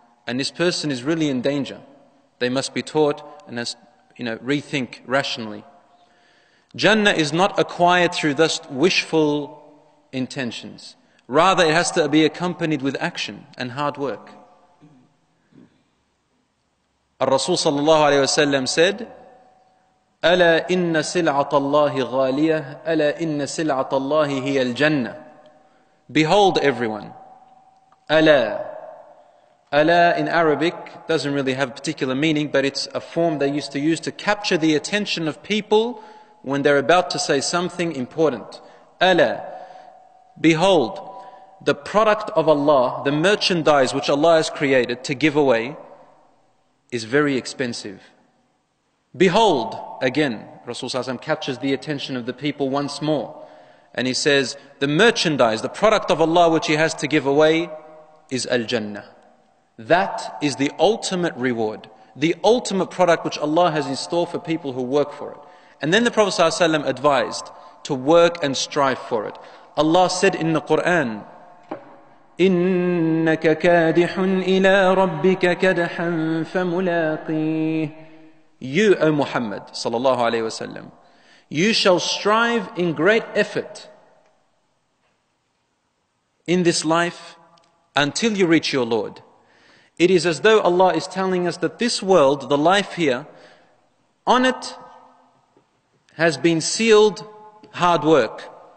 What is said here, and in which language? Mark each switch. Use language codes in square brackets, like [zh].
[en] And this person is really in danger. They must be taught and has, you know, rethink rationally. Jannah is not acquired through thus wishful intentions. Rather, it has to be accompanied with action and hard work. [ar] Al-Rasul sallallahu alayhi wa sallam said, أَلَا إِنَّ سِلْعَةَ اللَّهِ غَالِيَةَ أَلَا إِنَّ سِلْعَةَ اللَّهِ هِيَ الْجَنَّةِ. [en] Behold everyone. أَلَا. Allah in Arabic doesn't really have a particular meaning, but it's a form they used to use to capture the attention of people when they're about to say something important. Allah, behold, the product of Allah, the merchandise which Allah has created to give away, is very expensive. Behold, again, Rasulullah captures the attention of the people once more. And he says, the merchandise, the product of Allah which he has to give away is Al-Jannah. That is the ultimate reward, the ultimate product which Allah has in store for people who work for it. And then the Prophet ﷺ advised to work and strive for it. Allah said in the Quran, [ar] إِنَّكَ كَادِحٌ إِلَىٰ رَبِّكَ كَدْحًا فَمُلَاقِيهِ. [en] You, O Muhammad sallallahu alayhi wa sallam, you shall strive in great effort in this life until you reach your Lord. It is as though Allah is telling us that this world, the life here, on it has been sealed hard work.